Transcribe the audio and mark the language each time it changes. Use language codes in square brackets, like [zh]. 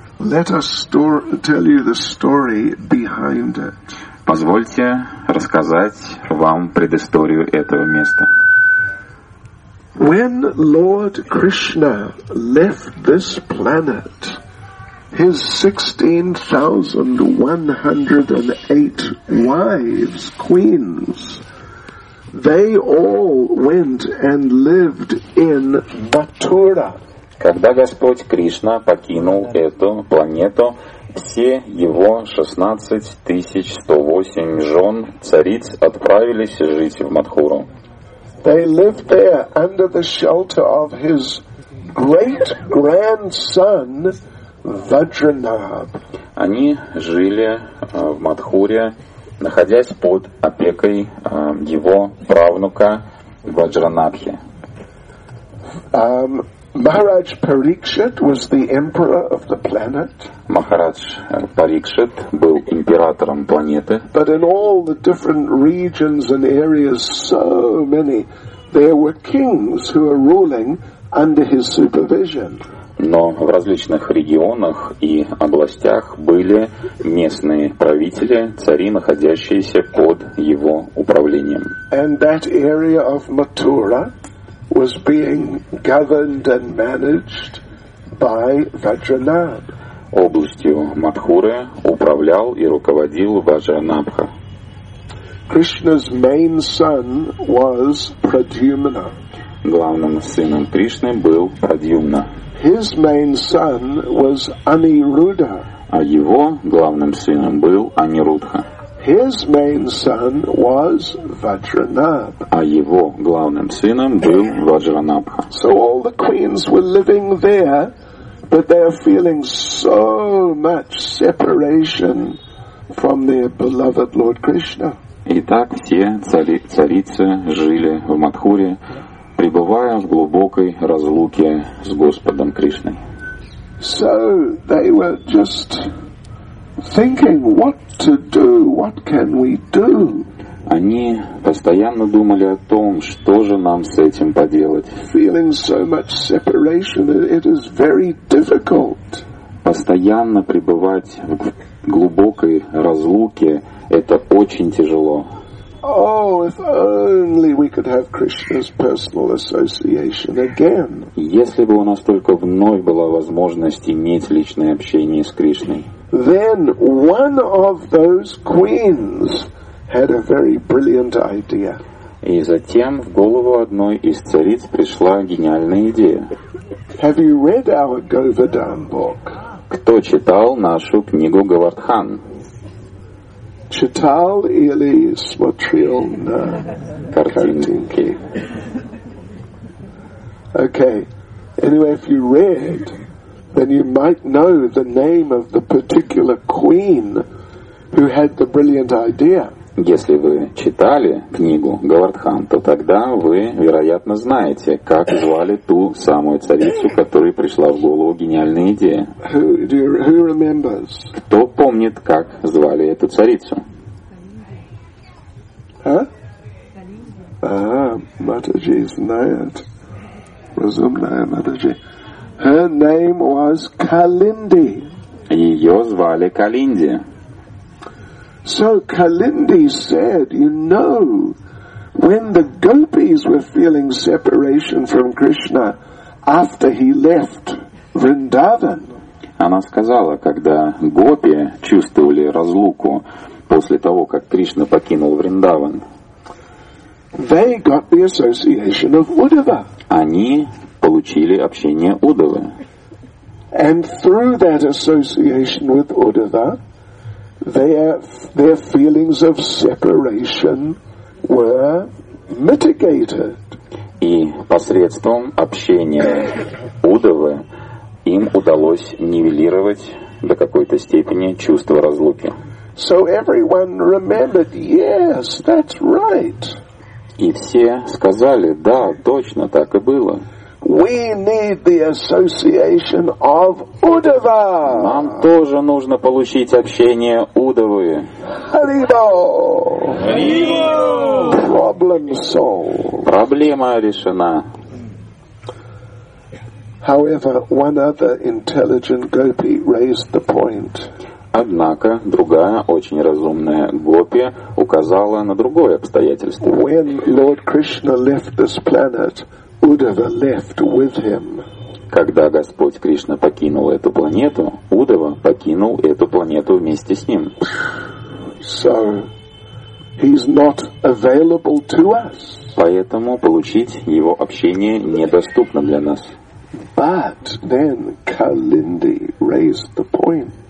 [en] Let us tell you the story behind it. [ru] Позвольте рассказать вам предысторию этого места. [en] When Lord Krishna left this planet, his 16,108 wives, queens, they all went and lived in Mathura. [ru] Когда Господь Кришна покинул эту планету, все его 16,108 жен, цариц, отправились жить в Матхуру. [en] They lived there under the shelter of his great-grandson Vajranab. [ru] Они жили в Матхуре, находясь под опекой его правнука Ваджранабхи. [en] Maharaj Parikshit was the emperor of the planet. [ru] Maharaj Parikshit был императором планеты. [en] But in all the different regions and areas, so many, there were kings who were ruling under his supervision. [ru] Но в различных регионах и областях были местные правители, цари, находящиеся под его управлением. [en] And that area of Mathura was being governed and managed by Vajranab. [ru] Областью Матхуры управлял и руководил Ваджранабха. [en] Krishna's main son was Pradyumna. [ru] Главным сыном Кришны был Прадьюмна. [en] His main son was Aniruddha. [ru] А его главным сыном был Анирудха. [en] His main son was Vajranab. [ru] А его главным сыном был Ваджранаб. [en] So all the queens were living there, but they are feeling so much separation from their beloved Lord Krishna. [ru] Итак, все царицы жили в Матхуре, пребывая в глубокой разлуке с Господом Кришной. [en] So they were just thinking, what to do, what can we do? [ru] Они постоянно думали о том, что же нам с этим поделать. [en] Feeling so much separation, it is very difficult. [ru] Постоянно пребывать в глубокой разлуке, это очень тяжело. [en] Oh, if only we could have Krishna's personal association again. [ru] Если бы у нас только вновь была возможность иметь личное общение с Кришной. [en] Then one of those queens had a very brilliant idea. [ru] И затем в голову одной из цариц пришла гениальная идея. [en] Have you read our Govardhan book? [ru] Кто читал нашу книгу Говардхан? Читал или смотрел на картинки? [en] Okay. Anyway, if you read, then you might know the name of the particular queen who had the brilliant idea. [ru] Если вы читали книгу Говардхан, то тогда вы, вероятно, знаете, как звали ту самую царицу, которой пришла в голову гениальная идея. [en] Who remembers? [ru] Кто помнит, как звали эту царицу? Huh? Матаджи знает. Разумная Матаджи. [en] Her name was Kalindi. [ru] Ее звали Калинди. [en] So Kalindi said, you know, when the gopis were feeling separation from Krishna after he left Vrindavan. [ru] Она сказала, когда гопи чувствовали разлуку после того, как Кришна покинул Вриндаван. [en] They got the association of Uddhava. [ru] Они получили общение Удавы. [en] And through that association with Uddhava, their feelings of separation were mitigated. [ru] И посредством общения Удавы им удалось нивелировать до какой-то степени чувство разлуки. [en] So everyone remembered, yes, that's right. [ru] И все сказали, да, точно так и было. [en] We need the association of Uddhava. [ru] Нам тоже нужно получить общение Удавы. [bn] Hare Bol. Hare Bol. [en] Problem solved. [ru] Проблема решена. [en] However, one other intelligent gopi raised the point. [ru] Однако другая очень разумная гопи указала на другое обстоятельство. [en] When Lord Krishna left this planet, Uddhava left with him. [ru] Когда Господь Кришна покинул эту планету, Удава покинул эту планету вместе с ним. [en] So, he's not available to us. [ru] Поэтому получить его общение недоступно для нас. [en] But then Kalindi raised the point.